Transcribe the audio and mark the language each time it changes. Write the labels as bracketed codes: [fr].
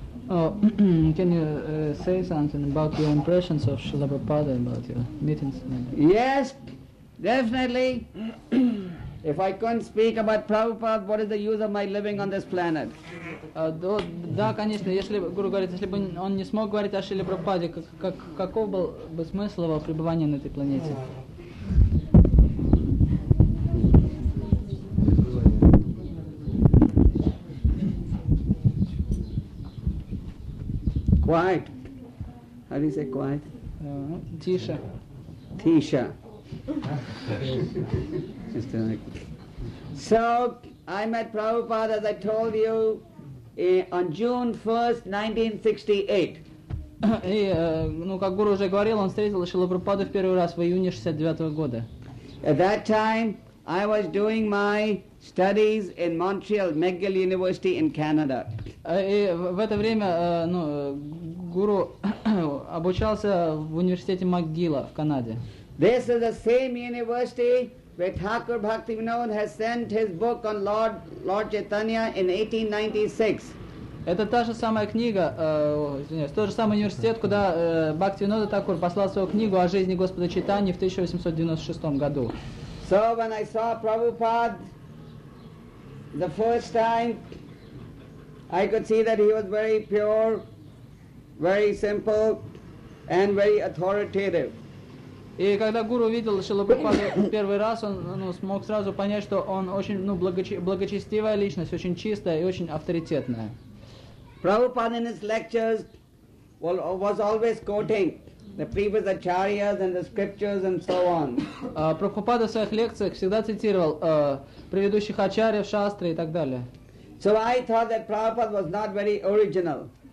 [en] Oh, can you say something about your impressions of Srila Prabhupada, about your meetings? Yes, definitely. If I couldn't speak about Prabhupada, what is the use of my living on this planet? [ru] Да, конечно, если Гуру говорит, если бы он не смог говорить о Шриле Прабхупаде, каков был бы смысл его пребывания на этой планете? [en] Quiet. How do you say quiet? [ru] Tisha. Tisha. [en] So, I met Prabhupada, as I told you, on June 1st, 1968. [ru] И, как Гуру уже говорил, он встретил Шрилу Прабхупаду в первый раз в июне 69 года. [en] At that time, I was doing my studies in Montreal, McGill University in Canada. [ru] И в это время, Гуру обучался в университете Макгилла в Канаде. [en] This is the same university where Thakur Bhaktivinoda has sent his book on Lord Chaitanya in 1896. [ru] Это та же самая книга, извиняюсь, тот же самый университет, куда Бхактивинода Такур послал свою книгу о жизни Господа Чайтаньи в 1896 году. [en] So when I saw Prabhupada the first time, I could see that he was very pure, very simple and very authoritative. [ru] И когда Гуру увидел Шрилу Прабхупаду в первый раз, он смог сразу понять, что он очень благочестивая личность, очень чистая и очень авторитетная. [en] Prabhupada in his lectures was always quoting the previous acharyas and the scriptures and so on. [ru] Прабхупада в своих лекциях всегда цитировал предыдущих ачарьев, шастры и так далее. [en] So I thought that Prabhupada was not very original.